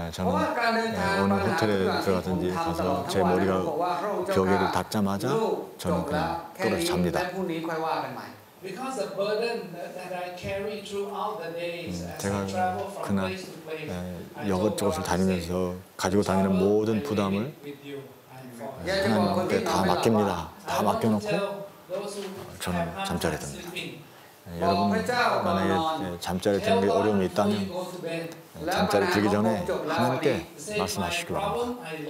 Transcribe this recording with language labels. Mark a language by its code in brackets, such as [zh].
[ko] 저는 어느 호텔에 들어가든지 가서 제 머리가 벽에를 닿자마자 저는 그냥 떨어져 잡니다. [en] Because the burden that I carry throughout the days as I travel from place to place, [ko] 여것저것을 다니면서 가지고 다니는 모든 부담을 하나님께 다 맡깁니다. 다 맡겨놓고 저는 잠자리에 듭니다. 여러분 만약에 잠자리에 드는 게 어려움이 있다면 잠자리에 들기 전에 하나님께 말씀하시기 바랍니다.